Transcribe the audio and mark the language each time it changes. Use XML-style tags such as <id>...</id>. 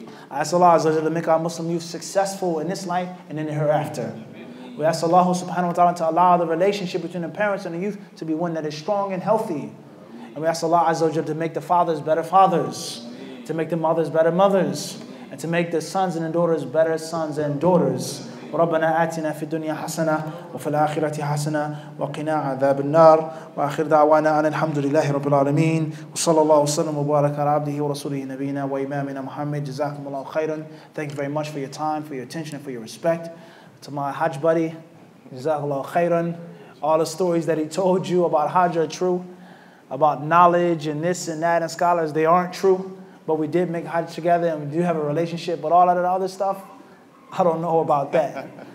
<en>I ask Allah to make our Muslim youth successful in this life and in the hereafter. We ask Allah subhanahu wa ta'ala to allow the relationship between the parents and the youth to be one that is strong and healthy. And we ask Allah to make the fathers better fathers, to make the mothers better mothers, and to make the sons and the daughters better sons and daughters.</en> <ar>ربنا آتنا في الدنيا حسنة وفي الآخرة حسنة وقنا عذاب النار وآخر دعوانا أن الحمد لله رب العالمين وصلى الله وسلم وبارك على عبده ورسوله نبينا وإمامنا محمد جزاكم الله خيرا.</ar> <en>Thank you very much for your time, for your attention, and for your respect. To my Hajj buddy,</en> <ar>جزاك الله خيرا.</ar> <en>All the stories that he told you about Hajj are true, about knowledge and this and that and scholars, they aren't true. But we did make Hajj together and we do have a relationship, but all of that other stuff, I don't know about that.</en>